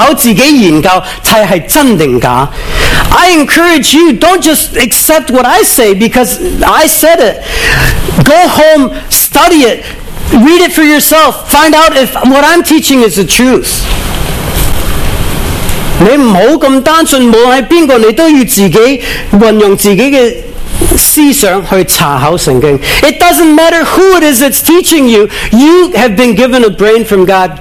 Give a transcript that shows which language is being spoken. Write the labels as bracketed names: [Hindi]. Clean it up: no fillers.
[Cantonese] 就算是我讲的，我鼓励大家，每次你喺度听到我讲之后，你翻屋企自己查考、自己研究，睇系真定假。 [English] I encourage you, don't just accept what I say because I said it. Go home, study it, read it for yourself, find out if what I'm teaching is the truth. [Cantonese] 你唔好咁单纯，无论系边个，你都要自己运用自己嘅。思想去查考圣经。 [English] It doesn't matter who it is that's teaching you. You have been given a brain from God.